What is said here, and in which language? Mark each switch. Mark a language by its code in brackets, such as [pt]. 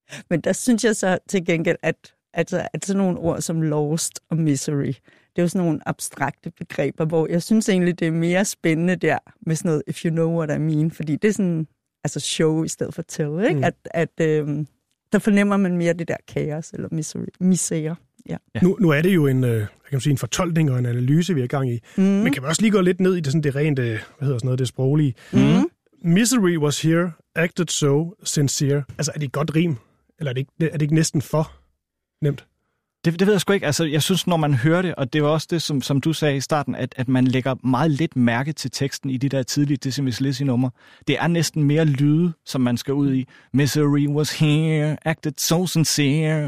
[da] Men der synes jeg så til gengæld, at sådan nogle ord som lost og misery, det er jo sådan nogle abstrakte begreber, hvor jeg synes egentlig, det er mere spændende der med sådan noget, [en] if you know what I mean, [da] fordi det er sådan, altså show i stedet for tell, ikke? Mm. Der fornemmer man mere det der kaos eller misere. Ja. Nu er det jo en fortolkning og en analyse, vi er i gang i. Mm. Men kan man også lige gå lidt ned i det sproglige? Mm. [en] Misery was here, acted so sincere. [da] Altså, er det et godt rim? Eller er det ikke næsten for nemt? Det ved jeg sgu ikke. Altså, jeg synes, når man hører det, og det var også det, som du sagde i starten, at man lægger meget lidt mærke til teksten i de der tidlige Dizzy-Miss-Lizzy-nummer. Det er næsten mere lyde, som man skal ud i. [en] Misery was here, acted so sincere.